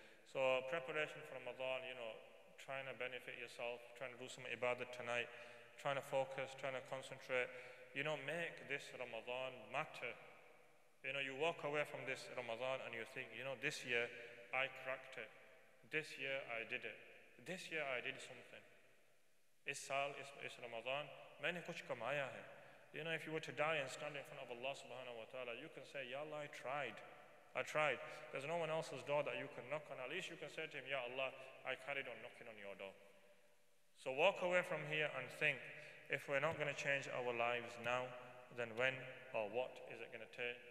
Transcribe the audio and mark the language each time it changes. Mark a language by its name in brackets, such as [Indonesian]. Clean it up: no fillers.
[English] So preparation for Ramadan, you know, trying to benefit yourself, trying to do some ibadah tonight, trying to focus, trying to concentrate. You know, make this Ramadan matter. You know, you walk away from this Ramadan and you think, you know, this year I cracked it. This year I did it. This year I did something. [Urdu] اس سال، اس رمضان۔ میں نے کچھ کمایا ہے۔ [English] You know, if you were to die and stand in front of Allah subhanahu wa ta'ala, you can say, Ya Allah, I tried. I tried. There's no one else's door that you can knock on. At least you can say to him, Ya Allah, I carried on knocking on your door. So walk away from here and think, if we're not going to change our lives now, then when or what is it going to take?